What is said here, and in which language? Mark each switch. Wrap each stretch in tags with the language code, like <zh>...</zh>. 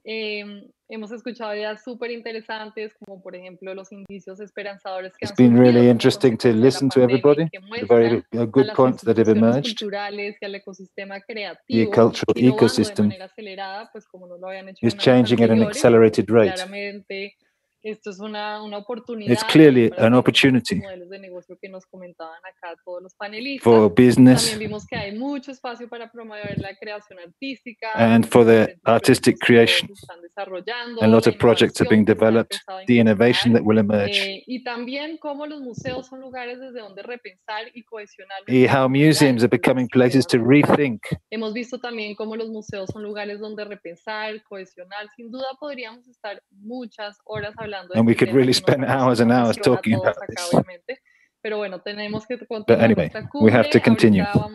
<es>Hemos escuchado ideas súper interesantes, como por ejemplo los indicios esperanzadores que</es> <en>It's been really interesting to listen to everybody. The very good points that have emerged. The cultural ecosystem is changing at an accelerated rate.</en> <es>Esto es una oportunidad.</es> <en>It's clearly an opportunity</en> <es>modelos de negocio que nos comentaban acá todos los panelistas.</es> <en>For business.</en> <es>También vimos que hay mucho espacio para promover la creación artística.</es> <en>And for the artistic creation.</en> <es>Están desarrollando.</es> <en>A lot of projects are being developed. The innovation that will emerge.</en> <es>Y también cómo los museos son lugares desde donde repensar y cohesionar.</es> <en>Y how museums are becoming places to rethink.</en> <es>Hemos visto también cómo los museos son lugares donde repensar, cohesionar. Sin duda podríamos estar muchas horas.</es> <en>And we could really spend hours and hours talking about this. But anyway, we have to continue.</en>